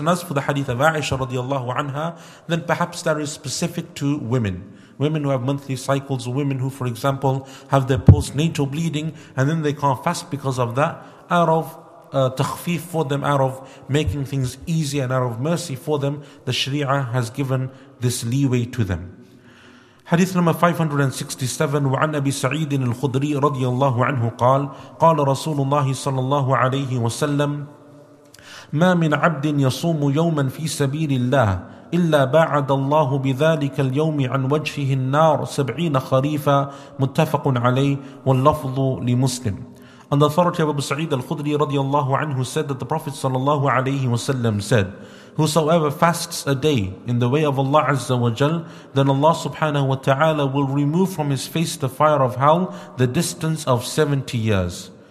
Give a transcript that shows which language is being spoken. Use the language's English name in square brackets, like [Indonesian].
[English] And as for the hadith of Aisha radiallahu anha, then perhaps that is specific to women. Women who have monthly cycles, women who, for example, have their postnatal bleeding, and then they can't fast because of that, out of takhfif for them, out of making things easy and out of mercy for them, the Sharia has given this leeway to them. Hadith number 567, [Arabic] وعن أبي سعيد الخدري رضي الله عنه قال قال رسول الله صلى الله عليه وسلم ما من عبد يصوم يوما في سبيل الله إلا باعد الله بذلك اليوم عن وجهه النار 70 خريفا متفق عليه واللفظ لمسلم. [English] On the authority of Abu Sa'id al-Khudri radiallahu anhu said that the Prophet sallallahu alayhi wasallam said, whosoever fasts a day in the way of Allah Azza wa Jal, then Allah subhanahu wa ta'ala will remove from his face the fire of hell the distance of 70 years.